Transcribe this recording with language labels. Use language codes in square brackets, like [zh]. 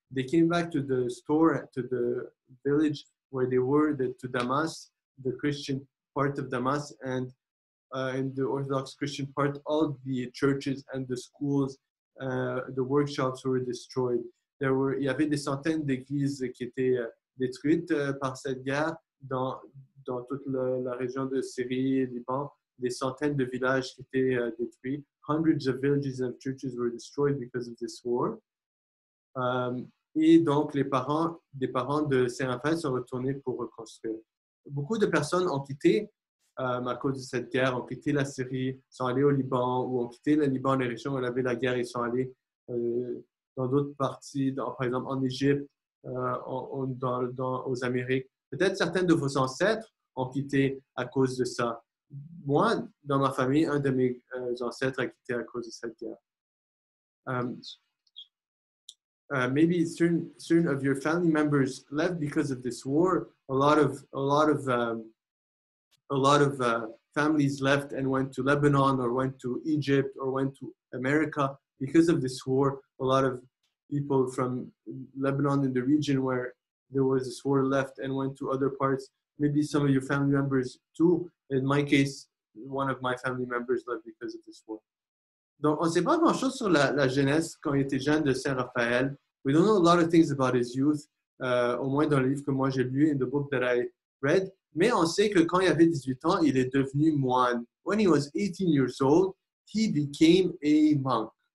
[en] They came back to the store, to the village where they were, to Damas, the Christian part of Damas, and in the Orthodox Christian part, all the churches and the schools, the workshops were destroyed. [fr] Il y avait des centaines d'églises qui étaient détruites par cette guerre dans toute la région de Syrie et Liban. Des centaines de villages qui étaient détruits. Hundreds of villages and churches were destroyed because of this war. Et donc, les parents de Saint-Raphaël sont retournés pour reconstruire. Beaucoup de personnes ont quitté à cause de cette guerre, ont quitté la Syrie, sont allées au Liban, ou ont quitté le Liban, les régions où il y avait la guerre, ils sont allées dans d'autres parties, par exemple en Égypte, aux Amériques. Peut-être certains de vos ancêtres ont quitté à cause de ça. Moi, dans ma famille, un de mes ancêtres a quitté à cause de cette guerre. [en] Maybe certain of your family members left because of this war. A lot of families left and went to Lebanon or went to Egypt or went to America because of this war. A lot of people from Lebanon in the region where there was this war left and went to other parts. Maybe some of your family members too. In my case, one of my family members left because of this war. [fr] Donc, on ne sait pas grand-chose sur la jeunesse quand il était jeune de Saint-Raphaël. [en] We don't know a lot of things about his youth, [fr] au moins dans le livre que moi j'ai lu, [en] in the book that I read. [fr] Mais on sait que quand il avait 18 ans, il est devenu moine. [en] When he was 18 years old, he became a monk.